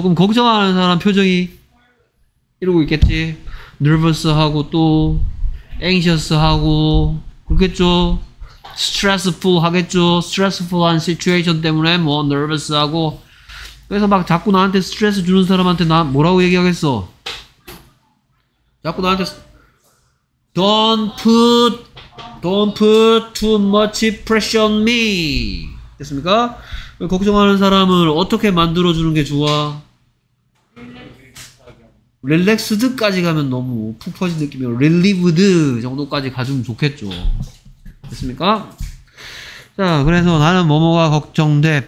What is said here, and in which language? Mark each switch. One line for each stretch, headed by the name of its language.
Korean: 그럼 걱정하는 사람 표정이 이러고 있겠지. Nervous 하고 또 anxious 하고 그렇겠죠. Stressful 하겠죠. Stressful한 situation 때문에 뭐 nervous 하고. 그래서 막 자꾸 나한테 스트레스 주는 사람한테 나 뭐라고 얘기하겠어? 자꾸 나한테
English: Don't put too much pressure on me.
Korean: 됐습니까? 걱정하는 사람을 어떻게 만들어주는 게 좋아? 릴렉스드까지 가면 너무 푹 퍼진 느낌이에요. 릴리브드 정도까지 가주면 좋겠죠. 됐습니까? 자, 그래서 나는 뭐뭐가 걱정돼.